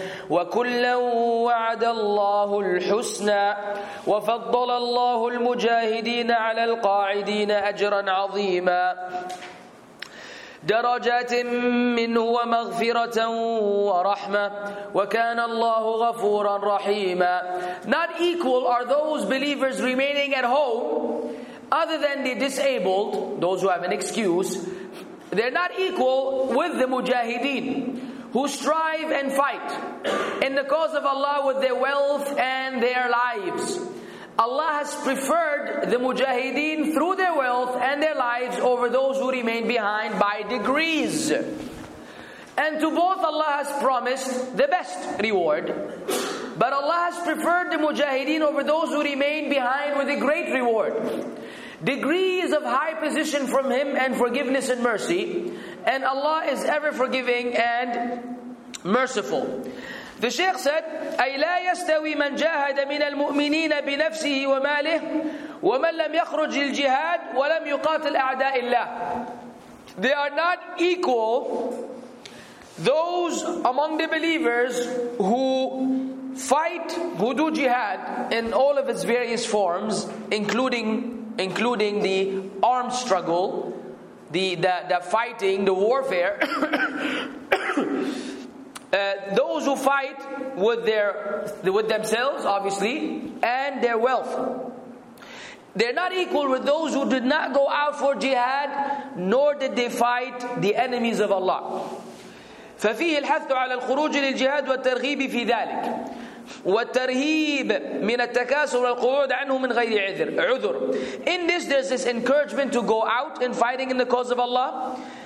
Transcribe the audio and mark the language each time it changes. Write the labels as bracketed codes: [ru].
[ar] وكلا وعد الله الحسنى، وفضل الله المجاهدين على القاعدين أجرا عظيما، درجات منه ومغفرة ورحمة، وكان الله غفورا رحيما. [en] Not equal are those believers remaining at home, other than the disabled, those who have an excuse. They're not equal with the mujahideen, who strive and fight in the cause of Allah with their wealth and their lives. Allah has preferred the mujahideen through their wealth and their lives over those who remain behind by degrees. And to both Allah has promised the best reward. But Allah has preferred the mujahideen over those who remain behind with a great reward. Degrees of high position from Him and forgiveness and mercy. And Allah is ever forgiving and merciful. The Shaykh said, [ar] أي لا يستوي من جاهد من المؤمنين بنفسه وماله ومن لم يخرج للجهاد ولم يقاتل أعداء الله. [en] They are not equal, those among the believers who fight, who do jihad in all of its various forms, including the armed struggle, the fighting, the warfare. those who fight with themselves, obviously, and their wealth. They're not equal with those who did not go out for jihad, nor did they fight the enemies of Allah. [ar] فَفِيهِ الْحَثُ عَلَى الْخُرُوجِ لِلْجِهَادِ وَالتَّرْغِيبِ فِي ذَلِكَ والترهيب من التكاسل والقعود عنه من غير عذر. [en] In this, there's this encouragement to go out in fighting in the cause of Allah.